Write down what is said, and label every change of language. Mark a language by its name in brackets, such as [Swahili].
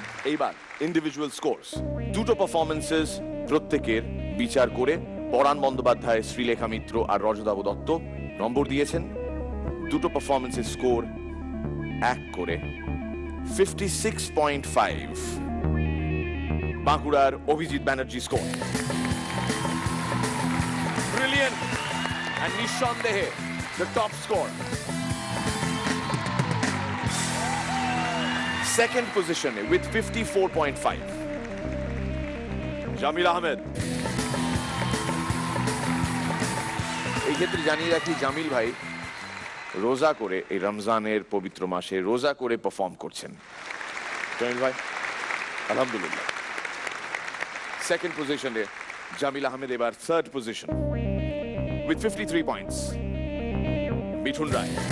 [Bangla] এইবার individual scores, দুটো performances প্রত্যেকের বিচার করে পরাণ বন্দ্যোপাধ্যায়, শ্রীলেখা মিত্র আর রজতাব দত্ত নম্বর দিয়েছেন। দুটো পারফরমেন্সের স্কোর এক করে 56.5 বাঁকুড়ার Abhijit Banerjee score. Brilliant [English] and [Bangla] nishandehe [English] the top score. Second position with 54.5 Jamil Ahmed. [Bangla] এই ক্ষেত্রে জানিয়ে রাখি জামিল ভাই রোজা করে, এই রমজানের পবিত্র মাসে রোজা করে পারফর্ম করছেন জামিল ভাই, আলহামদুলিল্লাহ। সেকেন্ড পজিশনে জামিল আহমেদ, এবার third position [English] with 53 points [Bangla] Mithun Rai.